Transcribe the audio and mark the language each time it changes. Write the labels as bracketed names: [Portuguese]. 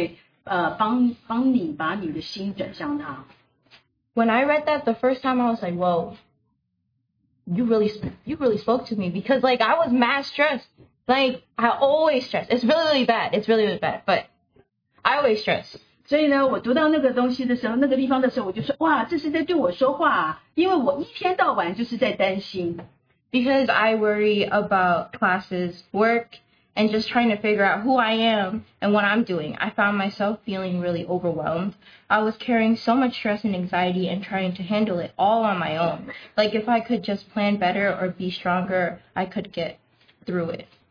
[Chinese] 那他那个小册子在星期五的敬拜里面所提醒的话就是说将你的忧虑卸给他他就会帮你把你的心转向他。 [English] When I read that the first time I was like, whoa, you really spoke to me because like I was mad stressed. Like I always stress. It's really, really bad. But I always stress. [Chinese] 所以呢,我读到那个东西的时候,那个地方的时候,我就说,哇,这是在对我说话,因为我一天到晚就是在担心. [English] Because I worry about classes, work, and just trying to figure out who I am and what I'm doing. I found myself feeling really overwhelmed. I was carrying so much stress and anxiety and trying to handle it all on my own. Like if I could just plan better or be stronger, I could get through it.